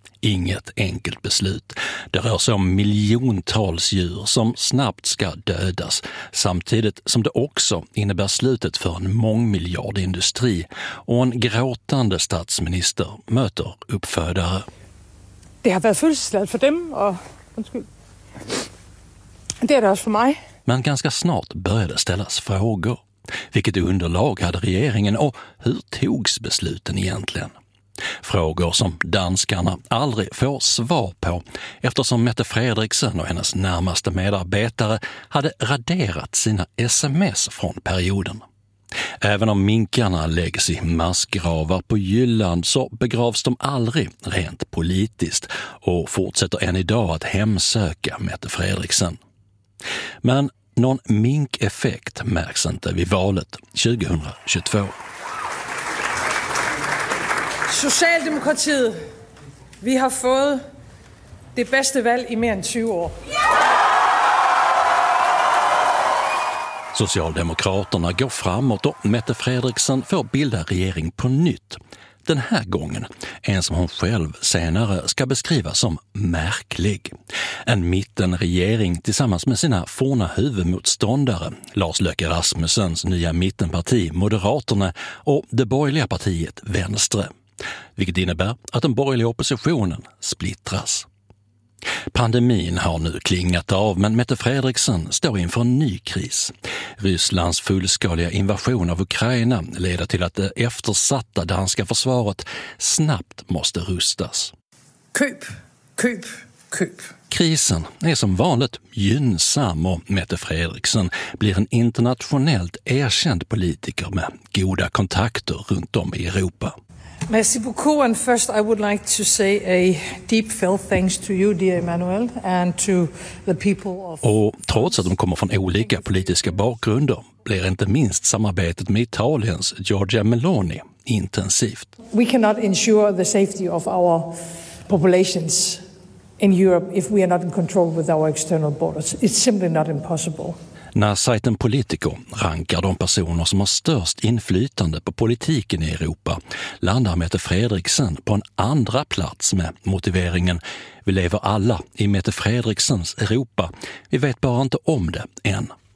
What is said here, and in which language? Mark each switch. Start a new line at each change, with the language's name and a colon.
Swedish: Inget enkelt beslut. Det rör sig om miljontals djur som snabbt ska dödas, samtidigt som det också innebär slutet för en mångmiljardindustri. Och en gråtande statsminister möter uppfödare.
Danish: det har været fødselsdagen for dem, og undskyld. Det er det også for mig.
Swedish: Men ganska snart började ställas frågor. Vilket underlag hade regeringen och hur togs besluten egentligen? Frågor som danskarna aldrig får svar på eftersom Mette Frederiksen och hennes närmaste medarbetare hade raderat sina sms från perioden. Även om minkarna läggs i massgravar på Jylland så begravs de aldrig rent politiskt och fortsätter än idag att hemsöka Mette Frederiksen. Men någon minkeffekt märks inte vid valet 2022.
Danish: Socialdemokratiet, vi har fået det bedste valg i mere end 20 år.
Swedish: Socialdemokraterna går framåt och Mette Frederiksen får bilda regering på nytt. Den här gången, en som hon själv senare ska beskriva som märklig. En mittenregering tillsammans med sina forna huvudmotståndare, Lars Løkke Rasmussens nya mittenparti Moderaterna och det borgerliga partiet Vänstre. Vilket innebär att den borgerliga oppositionen splittras. Pandemin har nu klingat av, men Mette Frederiksen står inför en ny kris. Rysslands fullskaliga invasion av Ukraina leder till att det eftersatta danska försvaret snabbt måste rustas. Köp, köp, köp. Krisen är som vanligt gynnsam och Mette Frederiksen blir en internationellt erkänd politiker med goda kontakter runt om i Europa.
French: Merci beaucoup,
English: and first I would like to say a deep felt thanks to you, dear Emmanuel, and to the people of...
Swedish: Och trots att de kommer från olika politiska bakgrunder blir inte minst samarbetet med Italiens Giorgia Meloni intensivt.
English: We cannot ensure the safety of our populations in Europe if we are not in control with our external borders. It's simply not impossible.
Swedish: När sajten Politico rankar de personer som har störst inflytande på politiken i Europa landar Mette Frederiksen på en andra plats med motiveringen vi lever alla i Mette Frederiksens Europa, vi vet bara inte om det än.